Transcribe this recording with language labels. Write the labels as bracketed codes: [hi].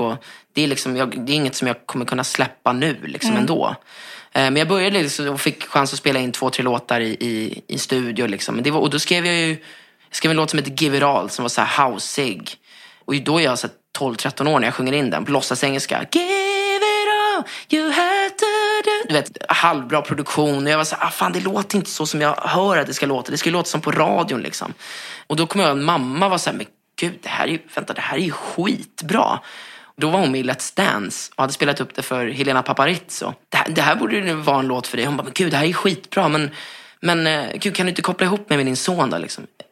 [sv] Och det är liksom, det är inget som jag kommer kunna släppa nu liksom ändå. Men jag började liksom och fick chans att spela in 2-3 låtar i studio. Liksom. Men det var, och då skrev en låt som heter Give It All, som var så här housig. Och då är jag så 12-13 år när jag sjunger in den på låtsasengelska. [en] Give it all, you have to do. [sv] Du vet, halvbra produktion. Och jag var så här, fan, det låter inte så som jag hör att det ska låta. Det ska låta som på radion liksom. Och då kom jag och mamma var så här, men gud, det här är ju skitbra. Då var hon med i Let's Dance och hade spelat upp det för Helena Paparizzo. Det här borde ju vara en låt för dig. Hon bara, men gud, det här är skitbra. Men gud, kan du inte koppla ihop mig med din son då? Liksom?